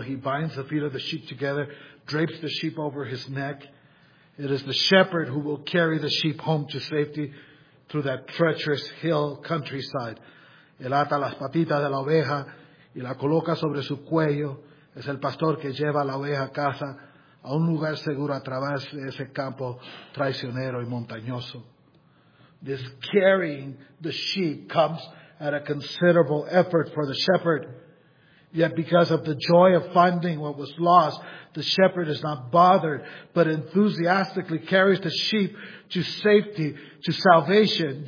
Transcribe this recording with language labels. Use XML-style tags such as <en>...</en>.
<en>He binds the feet of the sheep together, drapes the sheep over his neck. It is the shepherd who will carry the sheep home to safety through that treacherous hill countryside.</en> <es>Él ata las patitas de la oveja y la coloca sobre su cuello. Es el pastor que lleva a la oveja a casa, a un lugar seguro a través de ese campo traicionero y montañoso.</es> <en>This carrying the sheep comes at a considerable effort for the shepherd. Yet because of the joy of finding what was lost, the shepherd is not bothered, but enthusiastically carries the sheep to safety, to salvation.</en>